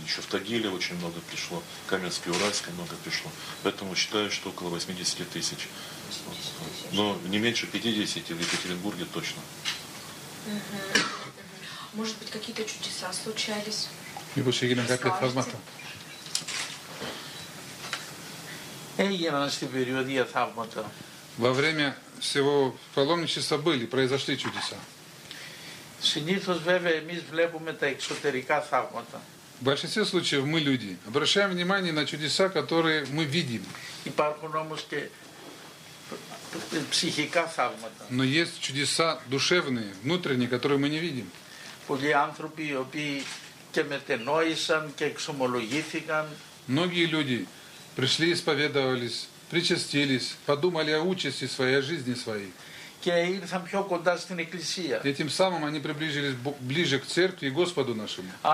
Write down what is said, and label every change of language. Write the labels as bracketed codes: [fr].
[ru] Еще в Тагиле очень много пришло, в Каменске-Уральске много пришло. Поэтому считаю, что около 80 тысяч. Но не меньше 50 в Екатеринбурге точно. Может быть, какие-то чудеса случались? Либо сегодня какие-то форматы. [el] Έγιναν στην περιοδία θαύματα. [ru] Во время всего паломничества были, произошли чудеса. [el] Συνήθως βέβαια εμείς βλέπουμε τα εξωτερικά θαύματα. [ru] В большинстве случаев мы люди обращаем внимание на чудеса, которые мы видим. [el] Υπάρχουν όμως και ψυχικά θαύματα. [ru] Но есть чудеса душевные, внутренние, которые мы не видим. [el] Πολλοί άνθρωποι οι οποίοι και μετενόησαν και εξομολογήθηκαν. [ru] Многие люди пришли, исповедовались, причастились, подумали о участи своей, о жизни своей. И этим самым они приближились ближе к церкви и Господу нашему.